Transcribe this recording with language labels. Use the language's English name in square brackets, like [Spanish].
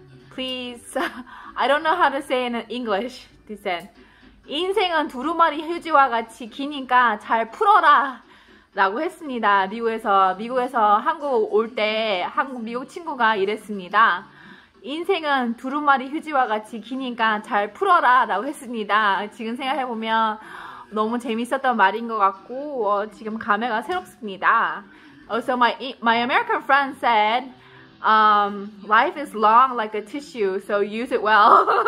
[English] Please, I don't know how to say it in English. He said, [Korean] 인생은 두루마리 휴지와 같이 기니까 잘 풀어라. 라고 했습니다. 미국에서 한국 올 때 한국 미국 친구가 이랬습니다. 인생은 두루마리 휴지와 같이 기니까 잘 풀어라 라고 했습니다. 지금 생각해보면 너무 재밌었던 말인 것 같고 지금 감회가 새롭습니다. [English] So my American friend said life is long like a tissue so use it well.